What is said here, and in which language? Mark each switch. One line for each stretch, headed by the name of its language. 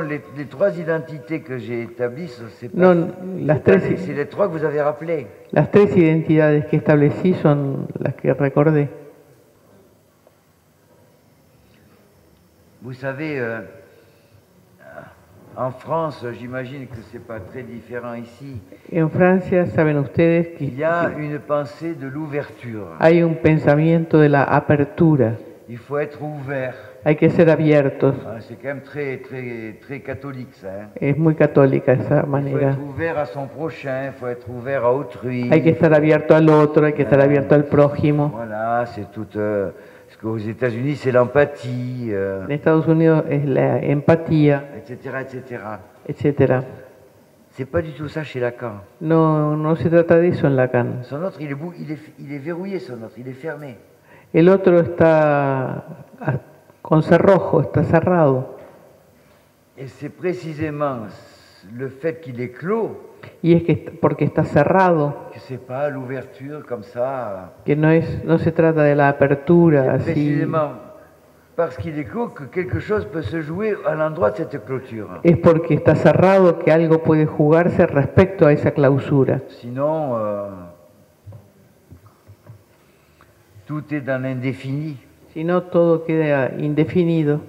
French: Les trois identités que j'ai établies, c'est pas.
Spanish: Non, las tres.
French: C'est les trois que vous avez rappelées.
Spanish: Las tres identidades que establecí son las que recordé.
French: Vous savez, en France, j'imagine que c'est pas très différent ici.
Spanish: En Francia saben ustedes que.
French: Il y a une pensée de l'ouverture.
Spanish: Hay un pensamiento de la apertura.
French: Il faut être ouvert.
Spanish: Hay que ser abiertos.
French: Ah, c'est quand même très, très, très catholique, ça, hein?
Spanish: Es muy católica esa manera.
French: Faut être ouvert à son prochain, faut être ouvert à autrui.
Spanish: Hay que estar abierto al otro, hay que estar abierto al prójimo.
French: Voilà, c'est tout. Parce qu'aux États-Unis, c'est l'empathie.
Spanish: En Estados Unidos es la empatía.
French: Etc. Etc. Etc. C'est pas du tout ça chez Lacan.
Spanish: No se trata de eso en Lacan.
French: Son autre, il est verrouillé, son autre, il est fermé.
Spanish: El otro está con cerrojo, está cerrado.
French: Et c'est précisément le fait qu'il est clos.
Spanish: Y es que porque está cerrado.
French: Que c'est pas l'ouverture comme ça.
Spanish: Que no es, no se trata de la apertura así.
French: Parce qu'il est clos que quelque chose peut se jouer à l'endroit de cette clôture.
Spanish: Es porque está cerrado que algo puede jugarse respecto a esa clausura.
French: Sinon, tout est dans l'indéfini.
Spanish: Si no, todo queda indefinido.